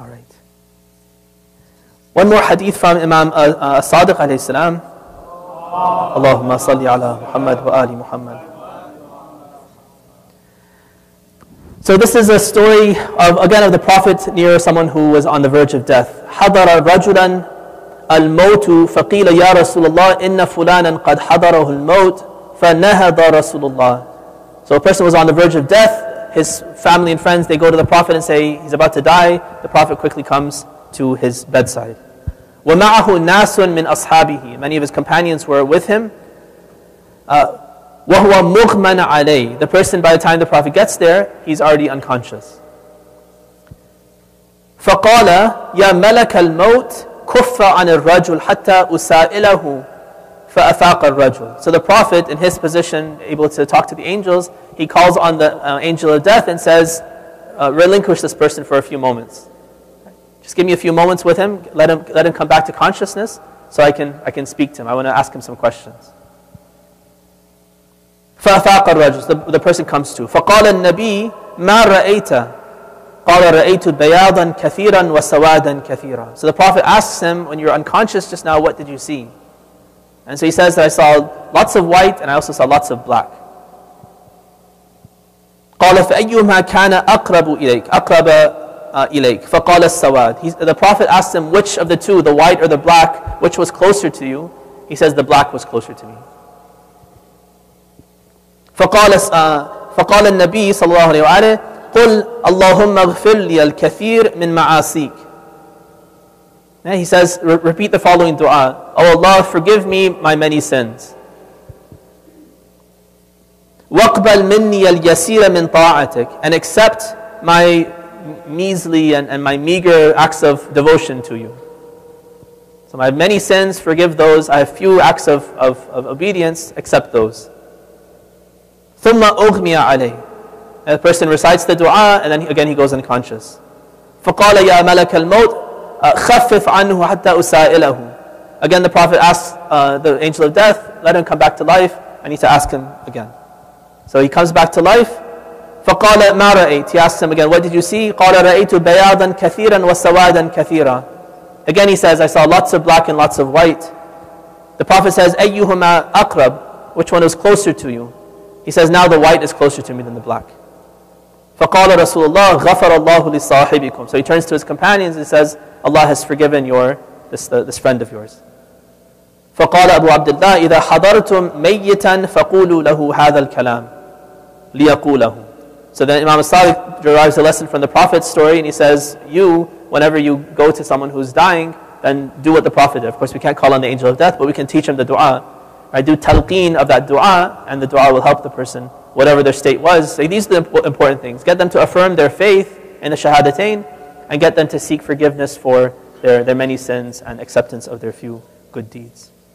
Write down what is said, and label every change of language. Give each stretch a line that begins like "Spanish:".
English: All right. One more hadith from Imam Sadiq alayhi salam.
Arabic: Allahumma salli ala Muhammad wa ali Muhammad.
English: So this is a story of, again, of the Prophet near someone who was on the verge of death.
Arabic: حَضَرَ رَجُلًا الموت فقيل يا رسول الله إن فلانا قد حضره الموت فنهض رسول الله.
English: So a person was on the verge of death. His family and friends, they go to the Prophet and say he's about to die. The Prophet quickly comes to his bedside.
Arabic: ومعه ناس من أصحابه.
English: Many of his companions were with him.
Arabic: وهو مغمى عليه.
English: The person, by the time the Prophet gets there, he's already unconscious.
Arabic: فقال يا ملك الموت كف عن الرجل حتى أسائله فأفاق الرجل.
English: So the Prophet, in his position, able to talk to the angels, he calls on the angel of death and says, relinquish this person for a few moments. Just give me a few moments with him. Let him come back to consciousness so I can speak to him. I want to ask him some questions.
Arabic: فأفاق الرجل.
English: The person comes to.
Arabic: فقال النبي ما رأيت؟ قال رأيت بياضا كثيرا وسوادا كثيرا.
English: So the Prophet asks him, when you're unconscious just now, what did you see? And so he says that I saw lots of white and I also saw lots of black.
Arabic: قال فأيما كان أقرب إليك؟ أقرب إليك. فقال السواد.
English: The Prophet asks him, which of the two, the white or the black, which was closer to you? He says, the black was closer to me.
Arabic: فقال النبي صلى الله عليه وآله قل اللهم اغفر لي الكثير من معاصيك.
English: He says, repeat the following dua. Oh Allah, forgive me my many sins.
Arabic: واقبل مني اليسير من طاعتك.
English: And accept my measly and my meager acts of devotion to you. So I have many sins, forgive those. I have few acts of obedience, accept those.
Arabic: ثم أغمي عليه.
English: And the person recites the dua, and then he goes unconscious.
Arabic: فقال يا ملك الموت خفف عنه حتى أسائله.
English: Again, the Prophet asks the angel of death, let him come back to life. I need to ask him again. So he comes back to life.
Arabic: فقال ما رأيت.
English: He asks him again, what did you see?
Arabic: قال رأيت بياضا كثيرا وسوادا كثيرا.
English: Again, he says, I saw lots of black and lots of white. The Prophet says,
Arabic: أيهما أقرب.
English: Which one is closer to you? He says, now the white is closer to me than the black.
Arabic: فقال رسول الله غفر الله لصاحبكم.
English: So he turns to his companions and says, Allah has forgiven this friend of yours.
Arabic: فقال أبو عبد الله إذا حضرتم ميتا فقولوا له هذا الكلام ليقوله.
English: So then Imam al-Sadiq derives a lesson from the Prophet's story and he says, you, whenever you go to someone who's dying, then do what the Prophet did. Of course, we can't call on the angel of death, but we can teach him the dua. I do talqeen of that dua, and the dua will help the person, whatever their state was. Say, these are the important things. Get them to affirm their faith in the shahadatain, and get them to seek forgiveness for their many sins and acceptance of their few good deeds.